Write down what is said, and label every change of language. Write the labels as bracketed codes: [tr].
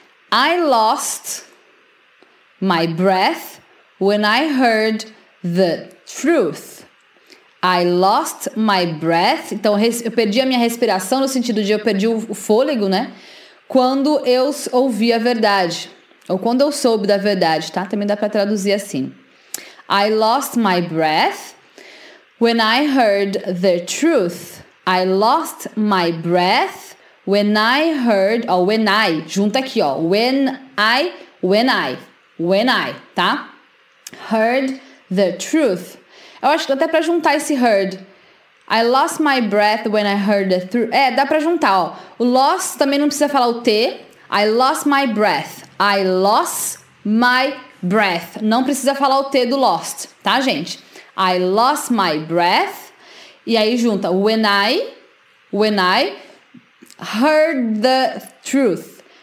[en] I lost my breath when I heard the truth. I lost my breath. [pt] Então, eu perdi a minha respiração no sentido de eu perdi o fôlego, né? Quando eu ouvi a verdade. Ou quando eu soube da verdade, tá? Também dá para traduzir assim. [en] I lost my breath when I heard the truth. I lost my breath when I heard... Ó, when I. [pt] Junta aqui, ó. [en] When I. When I. When I, tá? Heard the truth. [pt] Eu acho que até pra juntar esse heard. [en] I lost my breath when I heard the truth. [pt] É, dá pra juntar, ó. O lost também não precisa falar o T. [en] I lost my breath. I lost my breath. [pt] Não precisa falar o T do lost, tá, gente? [en] I lost my breath. [pt] E aí junta. [en] When I heard the truth.